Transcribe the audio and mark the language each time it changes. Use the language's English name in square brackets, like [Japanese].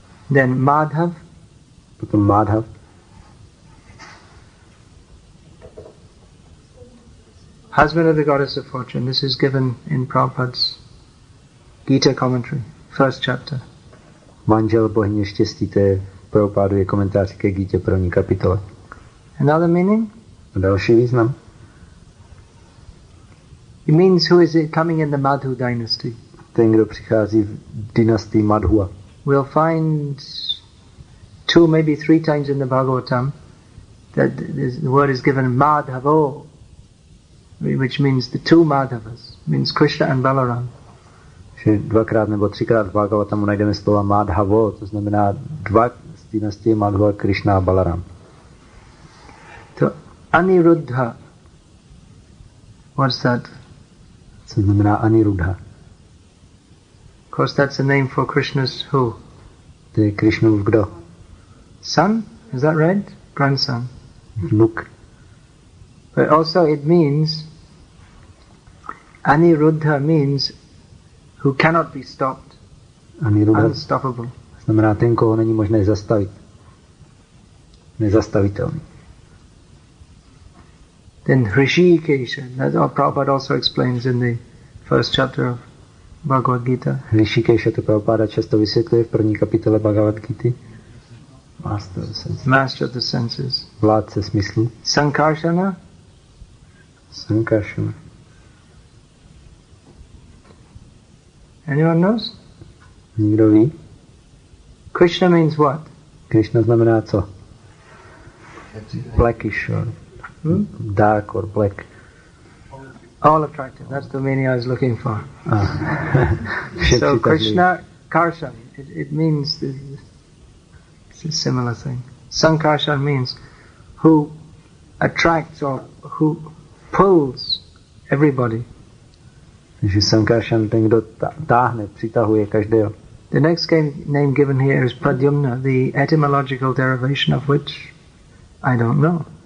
[English] Then Madhav. [Czech] Potom Madhav. [English] Husband of the goddess of fortune. This is given in Prabhupada's Gita commentary, first chapter. [Czech] Manžel bohyně štěstí, to je v Prabhupádově komentáři ke Gita první kapitole. [English] Another meaning? [Czech] A další význam? [English] It means who is it coming in the Madhu dynasty. [Czech] Ten, kdo přichází v dynastii Madhua. [English] We'll find two, maybe three times in the Bhagavatam that the word is given Madhavo, which means the two Madhavas, means Krishna and Balaram. [Czech] Dvakrát nebo třikrát v Bhagavatamu najdeme slova Madhavo, to znamená dva z dynastie Madhua, Krishna a Balaram. [English] To Aniruddha. What's that? [Czech] Co znamená Aniruddha? [English] Of course, that's a name for Krishna's who? [Czech] To je Krishnův kdo? [English] Son? Is that right? Grandson. [Czech] Vnuk. [English] But also it means, Aniruddha means who cannot be stopped. Aniruddha unstoppable. [Czech] Znamená ten, koho není možné zastavit. Nezastavitelný. [English] Then Hrishikesha, that's what Prabhupada also explains in the first chapter of Bhagavad Gita. [Czech] Hrishikesha to Prabhupada často vysvětluje v první kapitole Bhagavad Gita. [English] Master of the senses. Master of the senses. [Czech] Vládce smyslu. [English] Sankarsana. [Czech] Sankarsana. [English] Anyone knows? [Czech] Nikdo ví? [English] Krishna means what? [Czech] Krishna znamená co? [English] Blackish or dark or black. All attractive. That's the meaning I was looking for. Ah. So Krishna, Karshan, it means, it's a similar thing. Sankarshan means who attracts or who pulls everybody. [Czech] Že Sankarshan, ten, kdo táhne, přitahuje každého. [English] The next name given here is Pradyumna, the etymological derivation of which I don't know.